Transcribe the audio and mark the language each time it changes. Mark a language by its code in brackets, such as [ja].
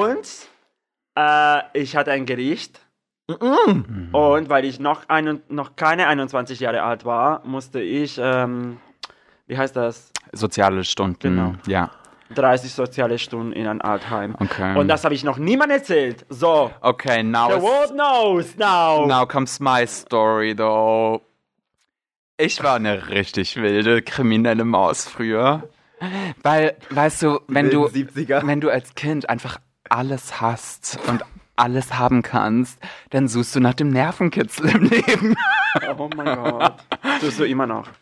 [de] Und ich hatte ein Gericht. Mm-mm. Und weil ich noch keine 21 Jahre alt war, musste ich, wie heißt das? Soziale Stunden. Genau. Ja. 30 soziale Stunden in ein Altheim. Okay. Und das habe ich noch niemand erzählt. So. [en] Okay, now. The world knows now. Now comes my story though. [de] Ich war eine richtig wilde kriminelle Maus früher. Weil, weißt du, wenn du als Kind einfach alles hast und alles haben kannst, dann suchst du nach dem Nervenkitzel im Leben. Oh mein Gott. Suchst du immer noch?